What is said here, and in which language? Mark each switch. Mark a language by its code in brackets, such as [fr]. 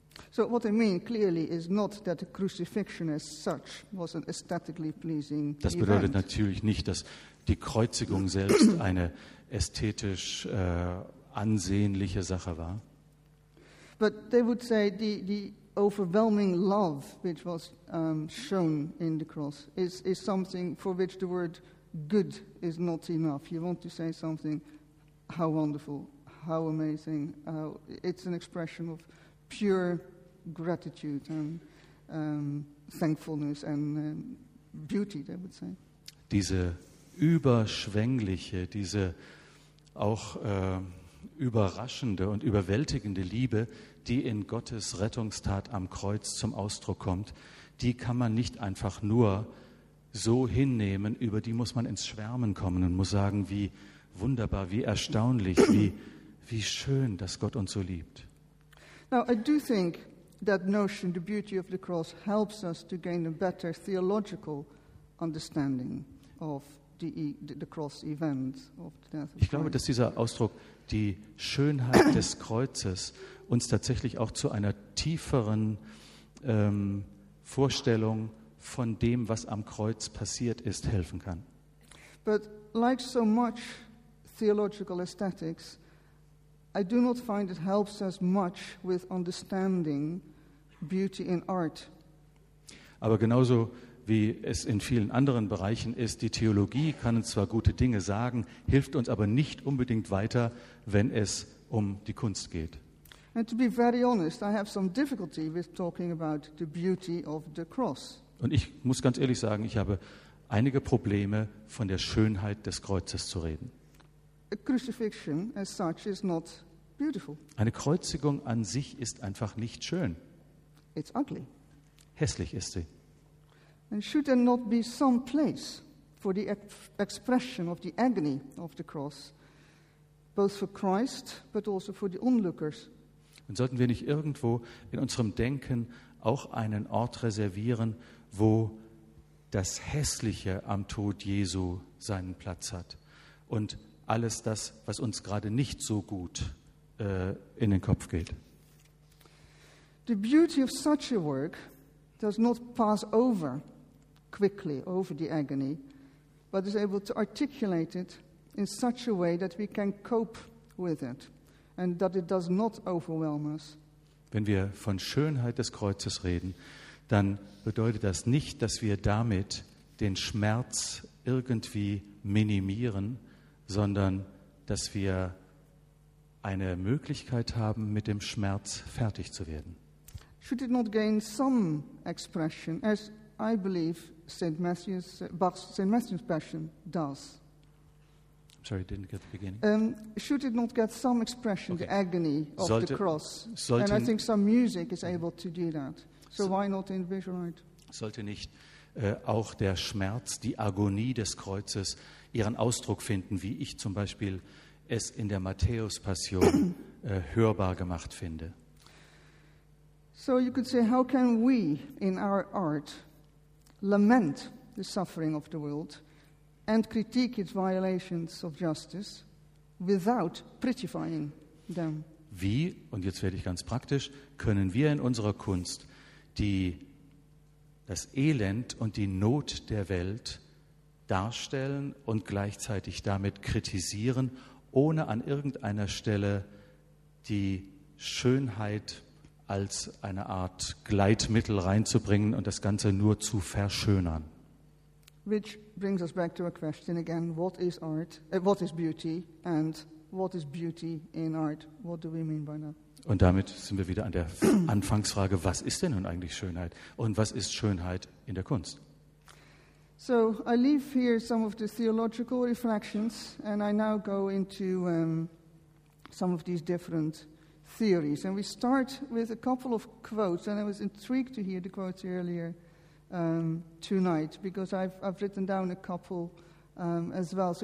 [en] So what I mean clearly is not that the crucifixion as such was an aesthetically pleasing event. [de] Das bedeutet natürlich nicht, dass die Kreuzigung selbst eine ästhetisch ansehnliche Sache war. [en] But they would say the overwhelming love which was shown in the cross is something for which the word good is not enough. You want to say something, how wonderful, how amazing. It's an expression of pure gratitude and thankfulness and beauty, they would say. [de] Diese überschwängliche, diese auch überraschende und überwältigende Liebe, die in Gottes Rettungstat am Kreuz zum Ausdruck kommt, die kann man nicht einfach nur so hinnehmen, über die muss man ins Schwärmen kommen und muss sagen, wie wunderbar, wie erstaunlich, wie schön, dass Gott uns so liebt. [en] Now, I do think that notion, the beauty of the cross, helps us to gain a better theological understanding of the cross event, of the death of Christ. [de] Ich glaube, dass dieser Ausdruck, die Schönheit des Kreuzes, uns tatsächlich auch zu einer tieferen Vorstellung von dem, was am Kreuz passiert ist, helfen kann. [en] But like so much theological aesthetics, I do not find it helps us much with understanding beauty in art. [de] Aber genauso wie es in vielen anderen Bereichen ist, die Theologie kann uns zwar gute Dinge sagen, hilft uns aber nicht unbedingt weiter, wenn es um die Kunst geht. [en] And to be very honest, I have some difficulty with talking about the beauty of the cross. [de] Und ich muss ganz ehrlich sagen, ich habe einige Probleme, von der Schönheit des Kreuzes zu reden. [en] A crucifixion as such is not beautiful. [de] Eine Kreuzigung an sich ist einfach nicht schön. [en] It's ugly. [de] Hässlich ist sie. [en] And should there not be some place for the expression of the agony of the cross, both for Christ, but also for the onlookers? [de] Und sollten wir nicht irgendwo in unserem Denken auch einen Ort reservieren, wo das Hässliche am Tod Jesu seinen Platz hat und alles das, was uns gerade nicht so gut in den Kopf geht? [en] The beauty of such a work does not pass over quickly over the agony, but is able to articulate it in such a way that we can cope with it and that it does not overwhelm us. [de] Wenn wir von Schönheit des Kreuzes reden, dann bedeutet das nicht, dass wir damit den Schmerz irgendwie minimieren, sondern dass wir eine Möglichkeit haben, mit dem Schmerz fertig zu werden. [en] Should it not gain some expression, as I believe St. Matthew's Passion does? I'm sorry, I didn't get the beginning. Should it not get some expression, okay, the agony of the cross? [de] Sollten, [en] and I think some music is able to do that. So why not in visual art? [de] Sollte nicht auch der Schmerz, die Agonie des Kreuzes ihren Ausdruck finden, wie ich zum Beispiel es in der Matthäus-Passion hörbar gemacht finde? [en] So you could say, how can we in our art lament the suffering of the world and critique its violations of justice without prettifying them? [de] Wie, und jetzt werde ich ganz praktisch, können wir in unserer Kunst das Elend und die Not der Welt darstellen und gleichzeitig damit kritisieren, ohne an irgendeiner Stelle die Schönheit als eine Art Gleitmittel reinzubringen und das Ganze nur zu verschönern? [en] Which brings us back to a question again: what is art? What is beauty? And what is beauty in art? What do we mean by that? [de] Und damit sind wir wieder an der Anfangsfrage: Was ist denn nun eigentlich Schönheit? Und was ist Schönheit in der Kunst? [en] So, I leave here some of the theological reflections, and I now go into some of these different theories. And we start with a couple of quotes, and I was intrigued to hear the quotes earlier tonight, because I've written down a couple as well.